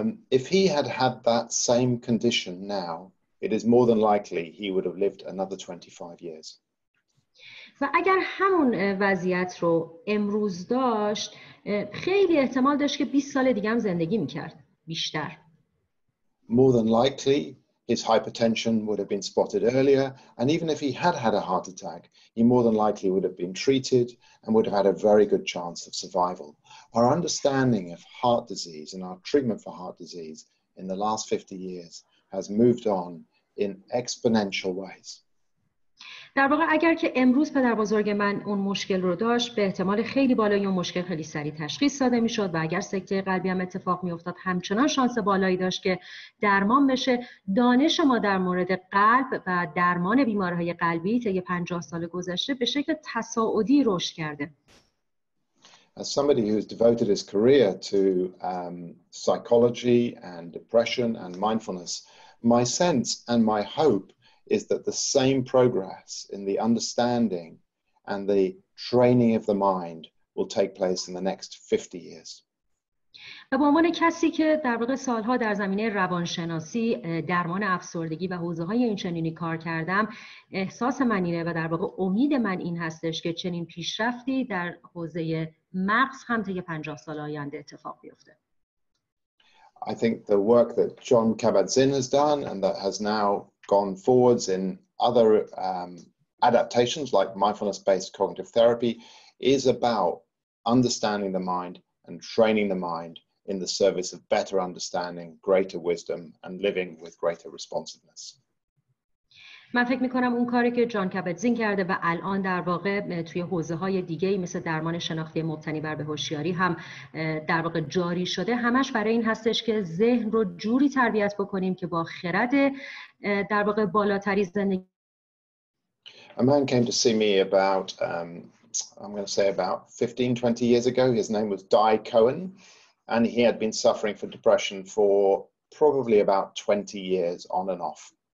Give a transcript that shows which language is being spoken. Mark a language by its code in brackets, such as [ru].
[en] If he had had that same condition now, it is more than likely he would have lived another 25 years. [fa] و اگر همون وضعیت رو امروز داشت، خیلی احتمال داشت که 20 سال دیگه هم زندگی می‌کرد، بیشتر. [en] More than likely his hypertension would have been spotted earlier, and even if he had had a heart attack, he more than likely would have been treated and would have had a very good chance of survival. Our understanding of heart disease and our treatment for heart disease in the last 50 years has moved on in exponential ways. [fa] در واقع اگر که امروز پدر بزرگ من اون مشکل رو داشت به احتمال خیلی بالایی اون مشکل خیلی سریع تشخیص داده می شد و اگر سکته قلبی هم اتفاق می افتاد همچنان شانس بالایی داشت که درمان بشه. دانش ما در مورد قلب و درمان بیماری های قلبی تا 50 سال گذشته به شکل تصاعدی رشد کرده. [en] As somebody who's devoted his career to psychology and depression and mindfulness, my sense and my hope is that the same progress in the understanding and the training of the mind will take place in the next 50 years. [fa] و به عنوان کسی که در واقع سالها در زمینه روانشناسی درمان افسردگی و حوزه های این چنینی کار کردم احساس من اینه و در واقع امید من این هستش که چنین پیشرفتی در حوزه مغز هم تا 50 سال آینده اتفاق بیفته. [en] I think the work that John Kabat-Zinn has done and that has now gone forwards in other adaptations like mindfulness-based cognitive therapy is about understanding the mind and training the mind in the service of better understanding, greater wisdom, and living with greater responsiveness. [fa] من فکر می‌کنم اون کاری که جان کبت‌زین کرده و الان در واقع توی حوزه‌های دیگه‌ای مثل درمان شناختی مبتنی بر به هوشیاری هم در واقع جاری شده همش برای این هستش که ذهن رو جوری تربیت بکنیم که با خرد در واقع بالاتری زندگی. [en] A man came to see me about I'm going to say about 15-20 years ago. His name was Di Cohen, and he had been suffering from depression for probably about 20 years on and off.